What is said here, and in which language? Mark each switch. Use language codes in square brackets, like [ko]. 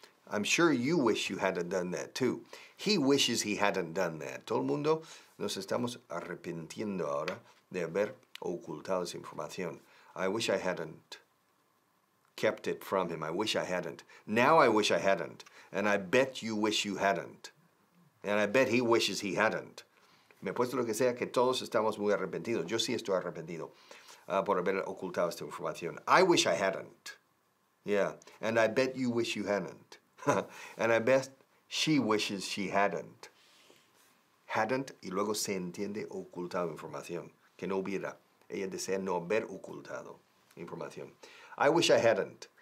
[en] I'm sure you wish you hadn't done that too. He wishes he hadn't done that. [es] Todo el mundo nos estamos arrepintiendo ahora de haber ocultado esa información. [en] I wish I hadn't kept it from him. I wish I hadn't. Now I wish I hadn't. And I bet you wish you hadn't. And I bet he wishes he hadn't. [es] Me apuesto lo que sea que todos estamos muy arrepentidos. Yo sí estoy arrepentido por haber ocultado esta información. [en] I wish I hadn't. Yeah, and I bet you wish you hadn't. And I bet she wishes she hadn't. Hadn't, [es] y luego se entiende ocultado información. Que no hubiera. Ella desea no haber ocultado información. [en] I wish I hadn't.